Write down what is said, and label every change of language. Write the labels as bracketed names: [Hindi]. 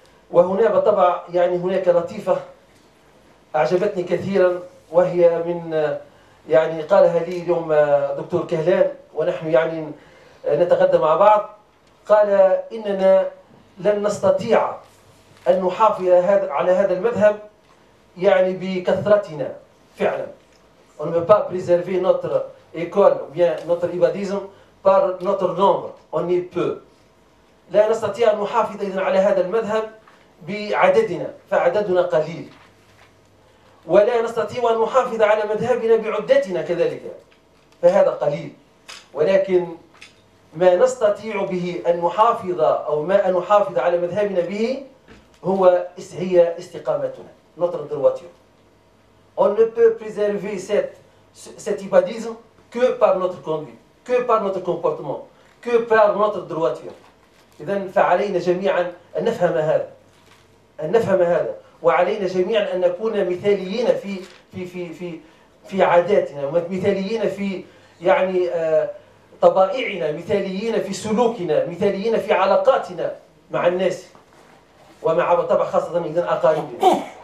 [Arabic] وهنا بالطبع يعني هناك لطيفة أعجبتني كثيرا، وهي من يعني قالها لي اليوم دكتور كهلان ونحن يعني نتغدى مع بعض. قال إننا لن نستطيع أن نحافظ على هذا المذهب يعني بكثرتنا فعلا. [French] On ne peut pas préserver notre école ou bien notre ibadisme par notre nombre. On ne peut. [Arabic] لا نستطيع أن نحافظ إذن على هذا المذهب بعددنا، فعددنا قليل. ولا نستطيع أن نحافظ على مذهبنا بعدتنا كذلك، فهذا قليل. ولكن ما نستطيع به أن نحافظ أو ما أن نحافظ على مذهبنا به هو هي استقامتنا. [French] Notre droiture. On ne peut préserver cet ibadisme que par notre conduite, que par notre comportement, que par notre droiture. [Arabic] إذن فعلينا جميعا أن نفهم هذا، أن نفهم هذا، وعلينا جميعا أن نكون مثاليين في في في في في عاداتنا، مثاليين في يعني طبائعنا، مثاليين في سلوكنا، مثاليين في علاقاتنا مع الناس ومع بالطبع خاصة إذن أقاربنا.